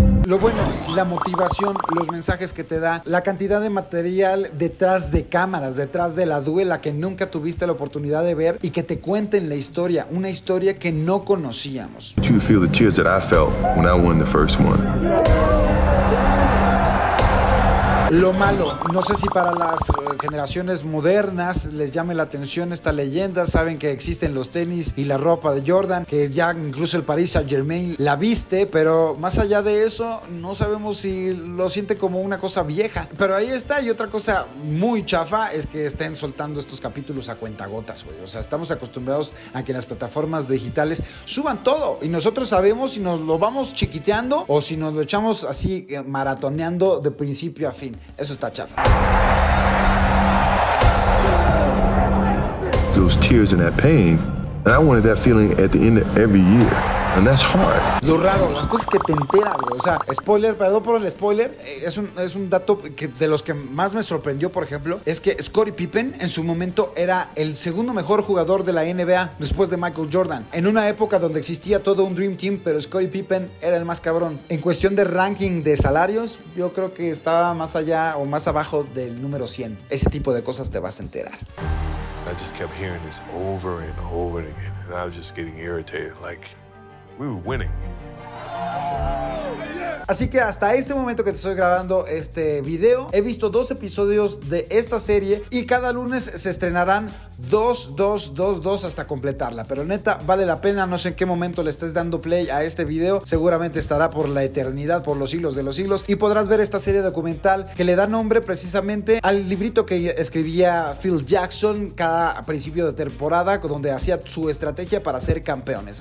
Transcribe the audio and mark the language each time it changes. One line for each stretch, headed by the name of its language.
Spanish: Lo bueno, la motivación, los mensajes que te da, la cantidad de material detrás de cámaras, detrás de la duela que nunca tuviste la oportunidad de ver y que te cuenten la historia, una historia que no conocíamos.
English: Do you feel the tears that I felt when I won the first one?
Spanish: Lo malo, no sé si para las generaciones modernas les llame la atención esta leyenda. Saben que existen los tenis y la ropa de Jordan, que ya incluso el Paris Saint-Germain la viste, pero más allá de eso no sabemos si lo siente como una cosa vieja, pero ahí está. Y otra cosa muy chafa es que estén soltando estos capítulos a cuentagotas, güey. O sea, estamos acostumbrados a que las plataformas digitales suban todo y nosotros sabemos si nos lo vamos chiquiteando o si nos lo echamos así maratoneando de principio a fin. Eso está chafa.
English: Those tears and that pain, and I wanted that feeling at the end of every year. And that's hard.
Spanish: Lo raro, las cosas que te enteras, güey. O sea, spoiler, perdón por el spoiler. Es un dato que de los que más me sorprendió, por ejemplo, es que Scottie Pippen en su momento era el segundo mejor jugador de la NBA después de Michael Jordan. En una época donde existía todo un Dream Team, pero Scottie Pippen era el más cabrón. En cuestión de ranking de salarios, yo creo que estaba más allá o más abajo del número 100. Ese tipo de cosas te vas a enterar.
English: I just kept hearing this over and over again, and I was just getting irritated, like... We were winning.
Spanish: Así que hasta este momento que te estoy grabando este video, he visto 2 episodios de esta serie y cada lunes se estrenarán 2 hasta completarla. Pero neta, vale la pena. No sé en qué momento le estés dando play a este video. Seguramente estará por la eternidad, por los siglos de los siglos. Y podrás ver esta serie documental que le da nombre precisamente al librito que escribía Phil Jackson cada principio de temporada, donde hacía su estrategia para ser campeones.